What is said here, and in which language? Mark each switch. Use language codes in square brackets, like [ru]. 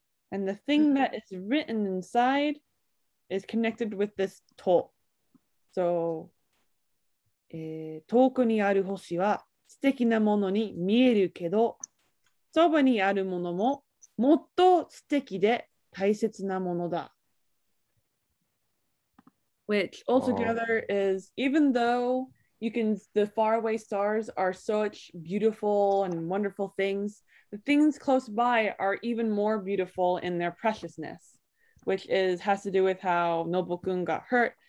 [en] And the thing that is written inside is connected with this to. So. [ja] 遠くにある星は素敵なものに見えるけど、そばにあるものももっと素敵で大切なものだ。 [en] Which altogether is, even though the faraway stars are such beautiful and wonderful things, the things close by are even more beautiful in their preciousness, which has to do with how Nobukun got hurt.